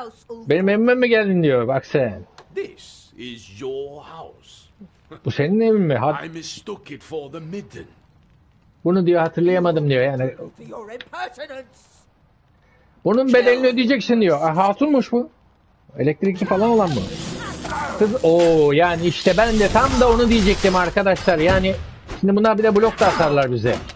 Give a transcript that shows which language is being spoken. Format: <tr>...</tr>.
<tr>Benim evime mi geldin diyor bak sen.</tr> <en>This is your house.</en> <tr>Bu senin evin mi?</tr> <en>I mistook it for the midden.</en> <tr>Bunu diyor hatırlayamadım diyor yani. Bunun bedelini ödeyeceksin diyor. Hatunmuş bu. Elektrikli falan olan mı? Kız ooo yani işte ben de tam da onu diyecektim arkadaşlar. Yani şimdi bunlar bir de blok da atarlar bize.</tr>